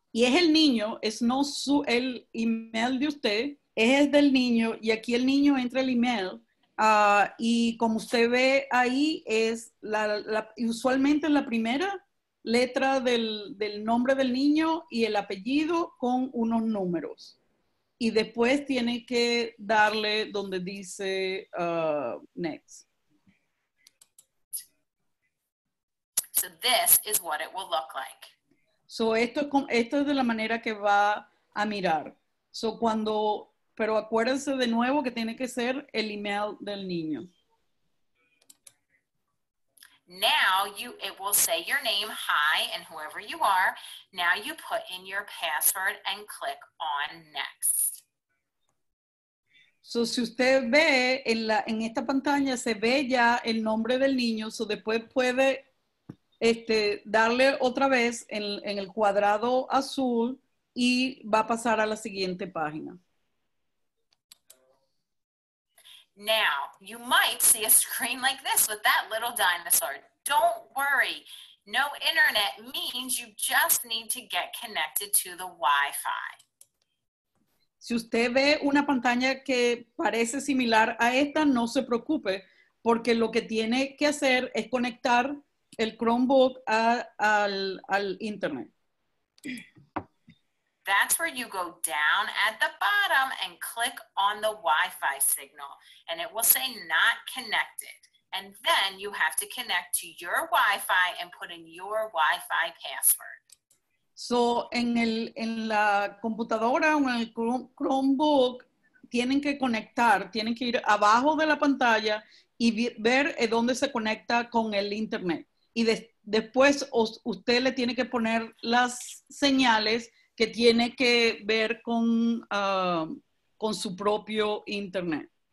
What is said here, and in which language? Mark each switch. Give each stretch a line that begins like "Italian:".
Spanish: Y es el niño, es no su, el email de usted, es el del niño, y aquí el niño entra el email, y como usted ve ahí, es usualmente la primera letra del nombre del niño y el apellido con unos números. Y después tiene que darle donde dice next.
English: So this is what it will look like.
Spanish: So esto es de la manera que va a mirar. So cuando, pero acuérdense de nuevo que tiene que ser el email del niño.
English: Now you, it will say your name, hi, and whoever you are. Now you put in your password and click on next.
Spanish: So si usted ve en la, en esta pantalla se ve ya el nombre del niño, so después puede este darle otra vez en el cuadrado azul y va a pasar a la siguiente página.
English: Now, you might see a screen like this with that little dinosaur. Don't worry. No internet means you just need to get connected to the Wi-Fi.
Spanish: Si usted ve una pantalla que parece similar a esta, no se preocupe, porque lo que tiene que hacer es conectar el Chromebook al internet.
English: That's where you go down at the bottom and click on the Wi-Fi signal, and it will say not connected. And then you have to connect to your Wi-Fi and put in your Wi-Fi password.
Spanish: So en la computadora o en el Chromebook, tienen que conectar, tienen que ir abajo de la pantalla y ver dónde se conecta con el internet. Y después usted le tiene que poner las señales que tiene que ver con su propio internet.